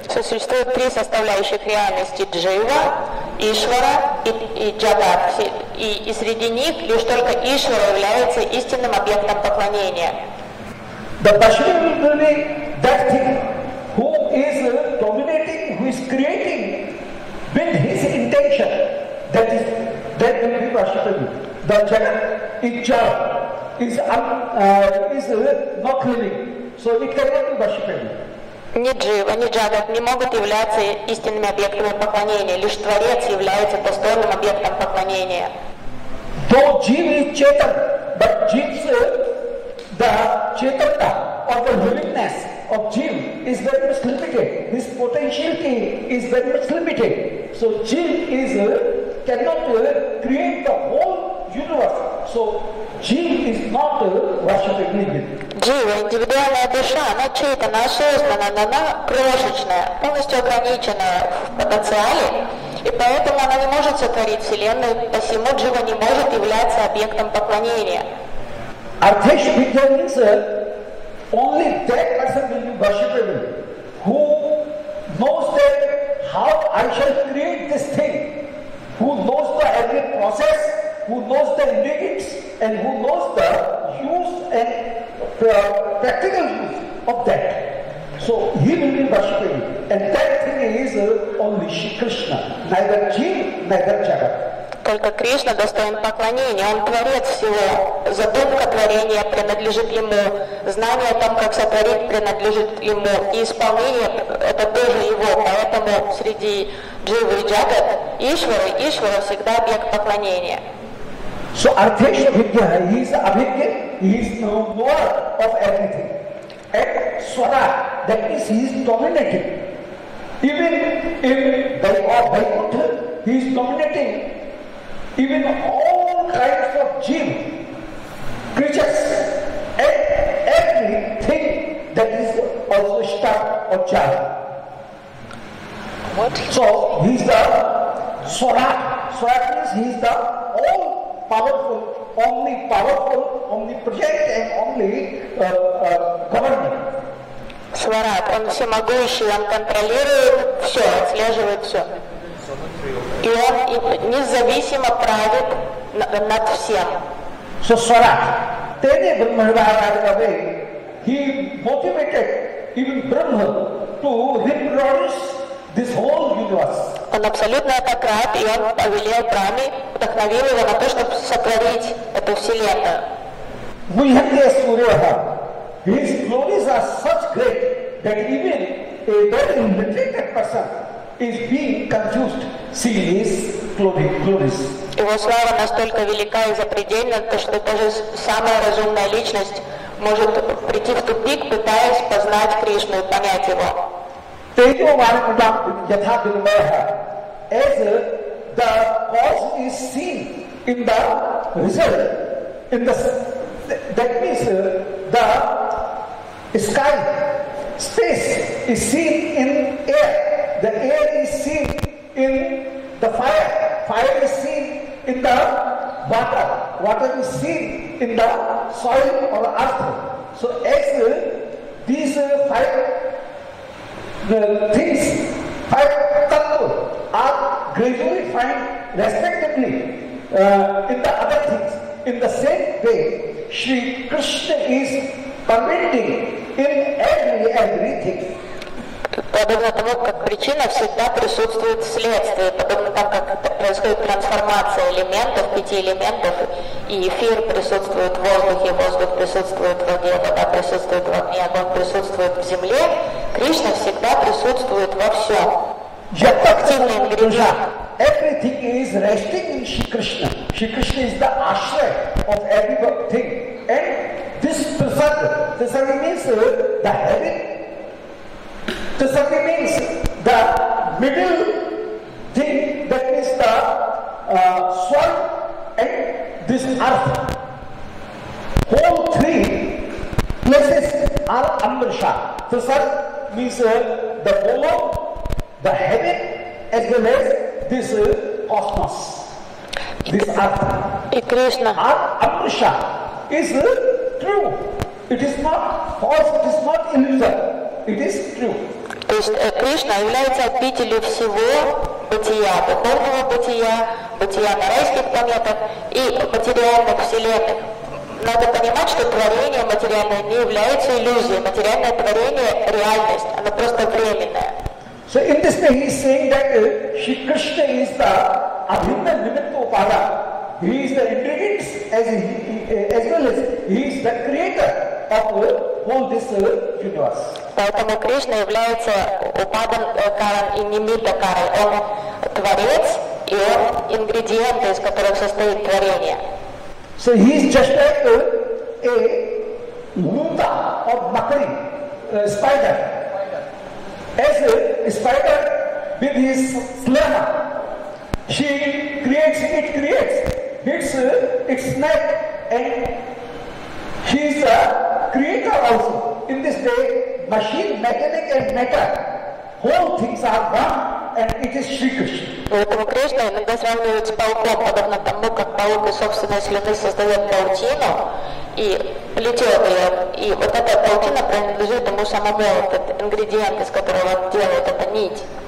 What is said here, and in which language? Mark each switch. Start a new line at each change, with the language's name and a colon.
Russian: So, существует три составляющих реальности: Джива, Ишвара и Джагат. И среди них лишь только Ишвара является истинным объектом поклонения.
English: The worshipable really that thing who is dominating, who is creating with his intention, that is, that will be worshipable. The Jagat Ichha is not living, so it cannot be worshipable.
Russian: Ни Джива, ни Джагат не могут являться истинными объектами поклонения. Лишь Творец является достойным объектом поклонения.
English: Though Jiva is Chetan, but Jiva's the Chetanta or the willingness of Jiva is very much limited. His potentiality is very much limited. So Jiva is cannot create the whole universe. So Jiva is not worshiping him.
Russian: Джива, индивидуальная душа, она чейтана, осознанная, но она крошечная, полностью ограниченная в потенциале, и поэтому она не может сотворить Вселенную, посему Джива не может являться объектом поклонения.
English: Артхеш Бхиджан means only that person will be worshipable, who knows that how I shall create this thing, who knows the every process, who knows the ingredients, and who knows the use and practical use of that. So he will be worshipping. And that thing is only Shri Krishna, neither Jiva, neither Jagat.
Russian: Только Кришна достоин поклонения, Он творец всего. Задумка творения принадлежит Ему, знание о том, как сотворить, принадлежит Ему, и исполнение — это тоже Его. Поэтому среди Дживы и Джагат, Ишвара, Ишвара всегда объект поклонения.
English: So Artheshya Vidya, he is Abhigya, he is the knower of everything. And Swara, that means he is dominating. Even in Vaikuntha, he is dominating. Even all kinds of jiva, creatures, and everything that is also star or child. What? So he is the Swara. Swara means he is the all powerful, only powerful, only project and only governing.
Russian: Swara, он всемогущий, он контролирует все, отслеживает все. И он независимо правит над всем.
English: So Swara,
Sanskrit: Tene Brahmarvaradhavai,
English: he motivated even Brahma to reproduce this whole universe.
Russian: Он абсолютно атакрат, и он повелел Брахме, вдохновил его на то, чтобы сотворить эту вселенную.
English: We have the Surya. His glories are such great that even a very limited person is being confused seeing his glories.
Russian: Его слава настолько велика и запредельна, что даже самая разумная личность может прийти в тупик, пытаясь познать Кришну и понять его.
Sanskrit: Тейо Варикудам Ятха Бирмаха.
English: As the cause is seen in the result, in the that means the sky, space is seen in air. The air is seen in the fire. Fire is seen in the water. Water is seen in the soil or earth. So as these five the things, five tattva are gradually find respectively in the other things. In the same way, Sri Krishna is permitting in everything.
Russian: Подобно тому, как причина всегда присутствует в следствии, подобно тому, как происходит трансформация элементов, пяти элементов, и эфир присутствует в воздухе, воздух присутствует в воде, вода присутствует в огне, огонь присутствует в земле, Кришна всегда присутствует во всем. Активный ингредиент.
English: Everything is resting in Shri Krishna. Shri Krishna is the ashray of everything. And this prasad, prasad means the heaven. The Sakya means the middle thing, that means the swarg and this earth. All three places are Amrsha. The Sakya means the bolo, the heaven, as well as this cosmos, this earth. Krishna. Amrsha is true. It is not false, it is not illusion. It is true.
Russian: То есть Кришна является обителью всего бытия, духовного бытия, бытия на райских планетах и материальных вселенных. Надо понимать, что творение материальное не является иллюзией. Материальное творение – реальность, оно просто временное.
English: So in this way he is saying that Shri Krishna is the abhinna nimitta upada. He is the ingredient as well as he is the creator of all this universe.
Russian: Поэтому Кришна является упадом каран и нимитта карой. Он творец и он ингредиент, из которых состоит творение.
English: So he is just like a munda or makari, spider. As a spider with his snare, she creates, it creates its net, and she is a creator also. In this day, machine, mechanic and matter, whole things are one, and it is Shri Krishna.
Russian: Поэтому Кришна иногда сравнивает с пауком, подобно тому, как паук из собственной слюны создает паутину и плетет ее. И вот эта паутина принадлежит тому самому, этот ингредиент, из которого он делает эту нить.